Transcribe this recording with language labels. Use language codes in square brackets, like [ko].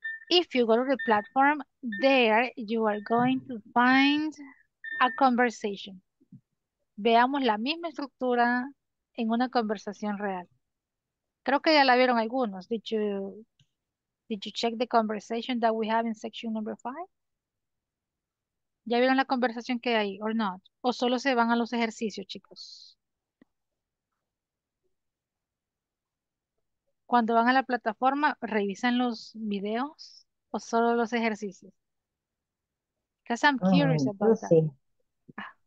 [en] If you go to the platform, there you are going to find a conversation. [es] Veamos la misma estructura en una conversación real. Creo que ya la vieron algunos. [en] Did you check the conversation that we have in section number 5? [es] ¿Ya vieron la conversación que hay [en] or not? [es] ¿O solo se van a los ejercicios, chicos? Cuando van a la plataforma, ¿revisan los videos o solo los ejercicios? [en] Because I'm curious about that.